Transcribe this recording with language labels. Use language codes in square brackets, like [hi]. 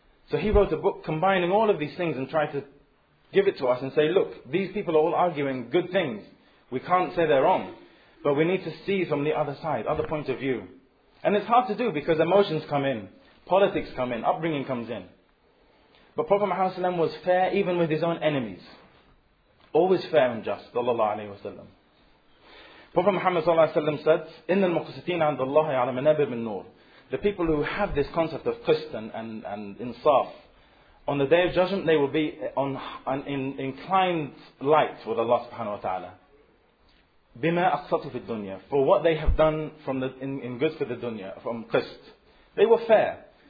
[en] So he wrote a book combining all of these things and tried to give it to us and say, look, these people are all arguing good things. We can't say they're wrong. But we need to see from the other side, other point of view. And it's hard to do because emotions come in, politics come in, upbringing comes in. But Prophet Muhammad was fair even with his own enemies. Always fair and just, sallallahu alayhi wa sallam. Prophet Muhammad sallallahu alayhi wa sallam said, [ar] إِنَّ الْمُقْسِطِينَ عَنْدَ اللَّهِ عَلَى مَنَابِرْ مِنْ نُورِ. [en] The people who have this concept of qist and insaf, on the day of judgment, they will be in inclined light with Allah subhanahu wa ta'ala. [ar] Bima aqsatu fi dunya, [en] for what they have done from in good for the dunya, from qist. They were fair.